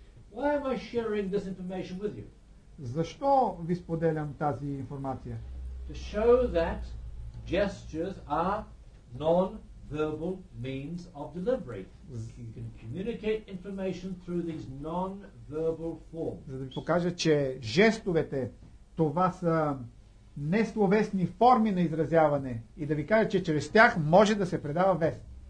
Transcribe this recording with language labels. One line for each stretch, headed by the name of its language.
English: Why am I sharing this information with you?
Bulgarian: Защо ви споделям тази информация?
English: To show that gestures are non-verbal means of delivery. You can communicate information through these non-verbal forms.
Bulgarian: За да ви покажа, че жестовете, това са несловесни форми на изразяване и да ви кажа, че чрез тях може да се предава вест.